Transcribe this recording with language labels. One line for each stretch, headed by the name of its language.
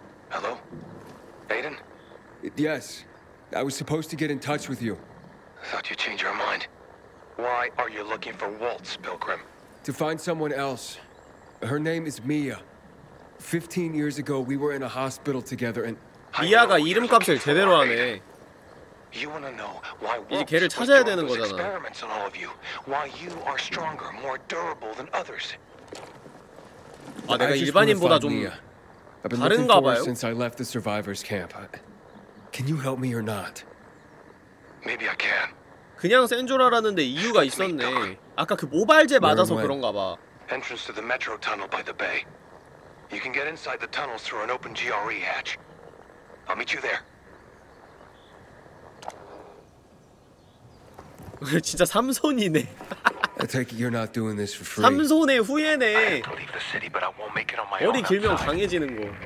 English: Hello? Aiden? Yes. I was supposed to get in touch with you. I thought you changed your mind. Why are you looking for Waltz, Pilgrim? To find someone else. Her name is Mia. 15 years ago, we were in a hospital together and...
Korean: 미아가 이름값을 제대로 하네.
English: You want to know why Waltz
Korean: 이제 걔를 찾아야 되는 거잖아.
English: Experiments on all of you. Why you are stronger, more durable than others.
Korean: 아, 내가 일반인보다 좀 다른가 봐요.
English: Since I left the survivors camp. Can you help me or not? Maybe I can.
Korean: 그냥 센 줄 알았는데 이유가 있었네. 아까 그 모발제 맞아서 그런가 봐.
English: Entrance to the metro tunnel by the bay. You can get inside the tunnels through an open GRE hatch. I'll meet you there.
Korean: 진짜 삼손이네.
English: I take it you're not doing this for free.
Korean: 삼손의 후예네. 머리 길면 강해지는 거.